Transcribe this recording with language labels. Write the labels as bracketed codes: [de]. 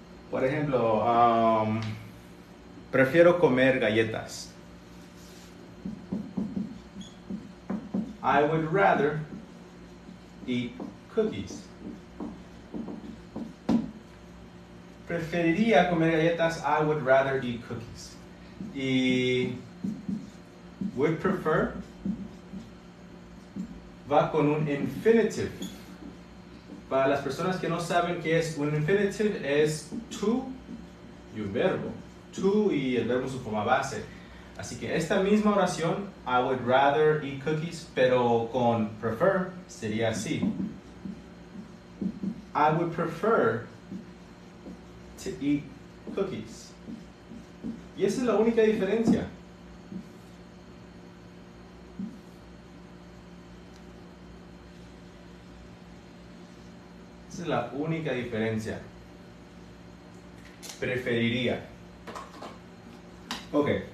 [es] Por ejemplo, prefiero comer galletas. [en] I would rather eat cookies. [es] Preferiría comer galletas. [en] I would rather eat cookies. [es] Y would prefer va con un infinitive. Para las personas que no saben qué es un infinitive, es to y un verbo. To y el verbo en su forma base. Así que esta misma oración, [en] I would rather eat cookies, [es] pero con prefer, sería así. [en] I would prefer to eat cookies. [es] Y esa es la única diferencia. Esa es la única diferencia. Preferiría. Ok.